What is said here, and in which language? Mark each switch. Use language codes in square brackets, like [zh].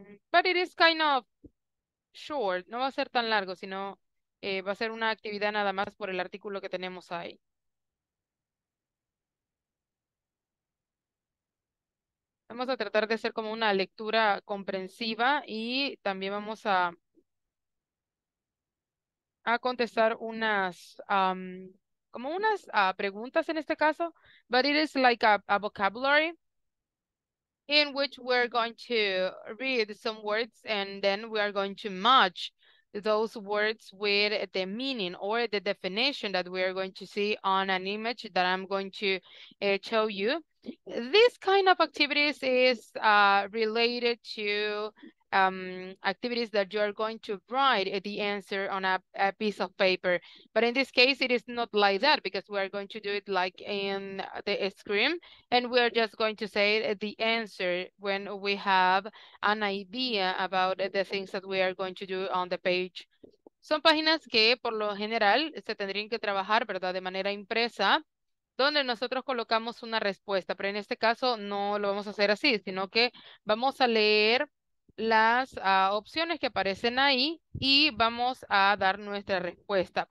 [en] But it is kind of short. [es] No va a ser tan largo, sino va a ser una actividad nada más por el artículo que tenemos ahí. Vamos a tratar de hacer como una lectura comprensiva y también vamos a contestar unas... como unas preguntas en este caso, [en] but it is like a vocabulary in which we're going to read some words and then we are going to match those words with the meaning or the definition that we are going to see on an image that I'm going to show you. This kind of activities is related to activities that you are going to write the answer on a piece of paper. But in this case, it is not like that because we are going to do it like in the screen and we are just going to say the answer when we have an idea about the things that we are going to do on the page. [es] Son páginas que por lo general se tendrían que trabajar, ¿verdad? De manera impresa, donde nosotros colocamos una respuesta, pero en este caso no lo vamos a hacer así, sino que vamos a leer las opciones que aparecen ahí y vamos a dar nuestra respuesta.